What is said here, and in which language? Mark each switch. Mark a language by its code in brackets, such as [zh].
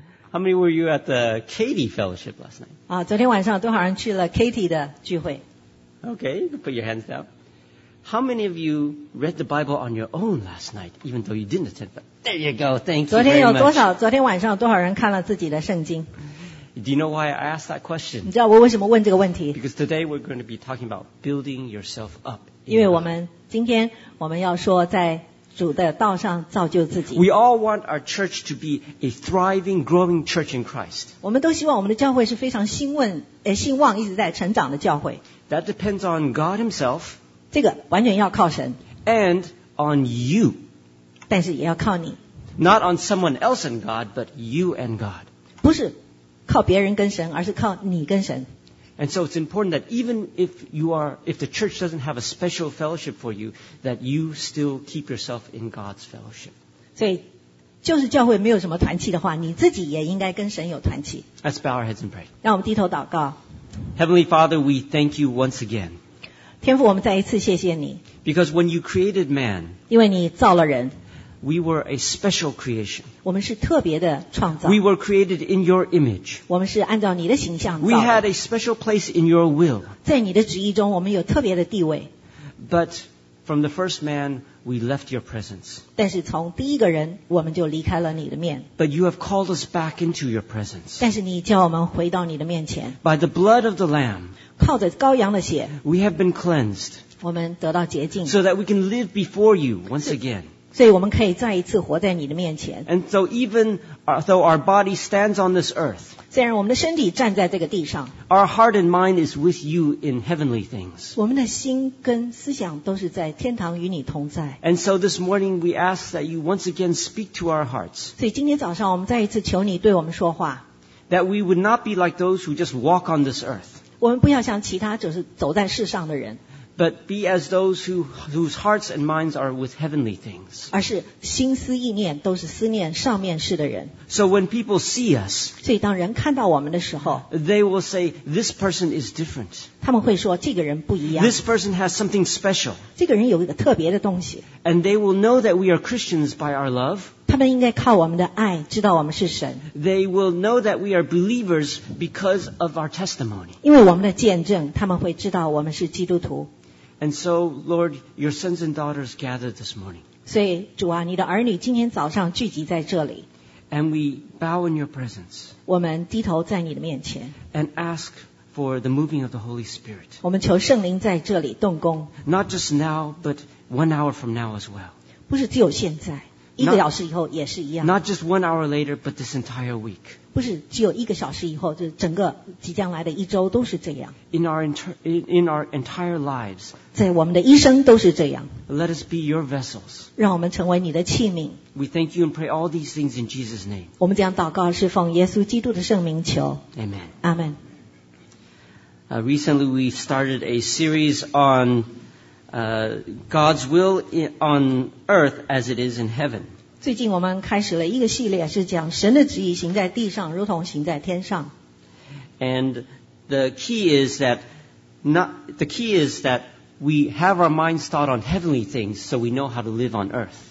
[en] How many were you at the Katie Fellowship last night? [zh] 啊，昨天晚上多少人去了 Katie 的聚会？ [en] Okay, put your hands down. How many of you read the Bible on your own last night, even though you didn't attend? There you go. Thank you. [zh] 昨天有多少？昨天晚上多少人看了自己的圣经？ [en] Do you know why I asked that question? [zh] 你知道我为什么问这个问题？ [en] Because today we're going to be talking about building yourself up. [zh] 因为我们今天我们要说在主的道上造就自己。 [en] We all want our church to be a thriving, growing church in Christ. [zh] 我们都希望我们的教会是非常兴旺、兴旺一直在成长的教会。 [en] That depends on God Himself. [zh] 这个完全要靠神。 [en] And on you. [zh] 但是也要靠你。 [en] Not on someone else and God, but you and God. [zh] 不是靠别人跟神，而是靠你跟神。 [en] And so it's important that even if you are, if the church doesn't have a special fellowship for you, that you still keep yourself in God's fellowship. [zh] 所以，就是教会没有什么团契的话，你自己也应该跟神有团契。 [en] Let's bow our heads and pray. [zh] 让我们低头祷告。 [en] Heavenly Father, we thank you once again. [zh] 天父，我们再一次谢谢你。 [en] Because when you created man, [zh] 因为你造了人。 [en] We were a special creation. [zh] 我们是特别的创造。 [en] We were created in your image. [zh] 我们是按照你的形象造的。 [en] We had a special place in your will. [zh] 在你的旨意中，我们有特别的地位。 [en] But from the first man, we left your presence. [zh] 但是从第一个人，我们就离开了你的面。 [en] But you have called us back into your presence. [zh] 但是你叫我们回到你的面前。 [en] By the blood of the Lamb, [zh] 靠着羔羊的血， [en] we have been cleansed. [zh] 我们得到洁净。 [en] So that we can live before you once again. [zh] 所以我们可以再一次活在你的面前。 [en] And so even though our body stands on this earth, [zh] 虽然我们的身体站在这个地上， [en] our heart and mind is with you in heavenly things. [zh] 我们的心跟思想都是在天堂与你同在。 [en] And so this morning we ask that you once again speak to our hearts. [zh] 所以今天早上我们再一次求你对我们说话。 [en] That we would not be like those who just walk on this earth. [zh] 我们不要像其他就是走在世上的人。 [en] But be as those who, whose hearts and minds are with heavenly things. [zh] 而是心思意念都是思念上面事的人。 [en] So when people see us, [zh] 所以当人看到我们的时候， [en] they will say, this person is different. [zh] 他们会说这个人不一样。 [en] This person has something special. [zh] 这个人有一个特别的东西。 [en] And they will know that we are Christians by our love. [zh] 他们应该靠我们的爱知道我们是神。 [en] They will know that we are believers because of our testimony. [zh] 因为我们的见证，他们会知道我们是基督徒。 [en] And so, Lord, your sons and daughters gathered this morning. [zh] 所以主啊，你的儿女今天早上聚集在这里。 [en] And we bow in your presence. [zh] 我们低头在你的面前。 [en] And ask for the moving of the Holy Spirit. [zh] 我们求圣灵在这里动工。 [en] Not just now, but 1 hour from now as well. [zh] 不是只有现在，一个小时以后也是一样。 [en] Not just 1 hour later, but this entire week. [zh] 不是只有一个小时以后，就是整个即将来的一周都是这样。 [en] In our entire lives, [zh] 在我们的一生都是这样。 [en] Let us be your vessels. [zh] 让我们成为你的器皿。 [en] We thank you and pray all these things in Jesus' name. [zh] 我们这样祷告是奉耶稣基督的圣名求。 [en] Amen. Amen. Recently, we started a series on God's will on earth as it is in heaven. [zh] 最近我们开始了一个系列，是讲神的旨意行在地上，如同行在天上。 [en] And the key is that we have our minds thought on heavenly things, so we know how to live on earth.